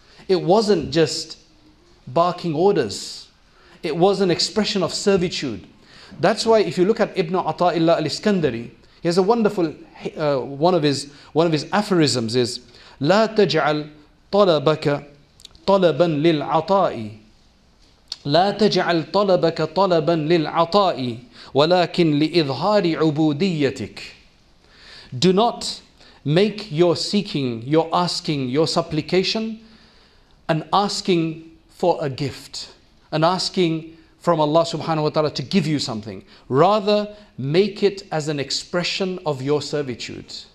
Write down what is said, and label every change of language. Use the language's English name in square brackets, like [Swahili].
[English] It wasn't just barking orders. It was an expression of servitude. That's why if you look at Ibn Ata'illah al-Iskandari, he has a wonderful one of his aphorisms is [Arabic] لا تجعل طلبك طلبا للعطاء. لا تجعل طلبك طلبا للعطاء ولكن لإظهار عبوديتك. [English] Do not make your seeking, your asking, your supplication an asking for a gift, an asking from Allah subhanahu wa ta'ala to give you something. Rather, make it as an expression of your servitude.